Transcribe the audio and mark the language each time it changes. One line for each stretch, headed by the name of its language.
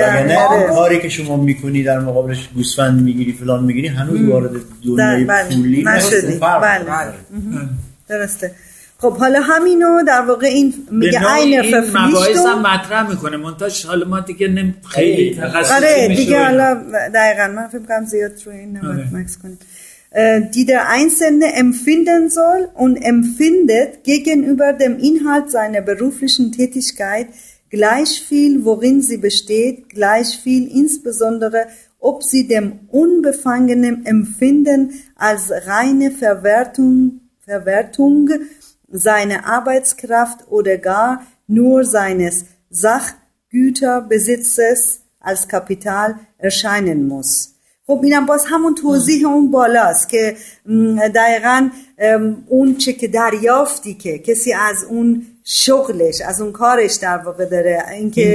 Persian: وگرنه هر کاری که شما میکنی در مقابلش گوسفند میگیری فلان میگیری هنوز وارد دنیای پولی نشدی. بله درسته. خب حالا همینو در واقع این میگه عین مباحث هم مطرح میکنه، منتها حالا ما دیگه خیلی تخصصی آره دیگه حالا دقیقاً من فکر کنم زیاد رو این نمکس کنید.
German: Die der Einzelne empfinden soll und empfindet gegenüber dem Inhalt seiner beruflichen Tätigkeit gleich viel, worin sie besteht, gleich viel, insbesondere ob sie dem unbefangenen Empfinden als reine Verwertung seiner Arbeitskraft oder gar nur seines Sachgüterbesitzes als Kapital erscheinen muss.
Persian: خب اینم باز همون توضیح اون بالاست که دقیقا اون چه که دریافتی که کسی از اون شغلش از اون کارش در واقع داره، این که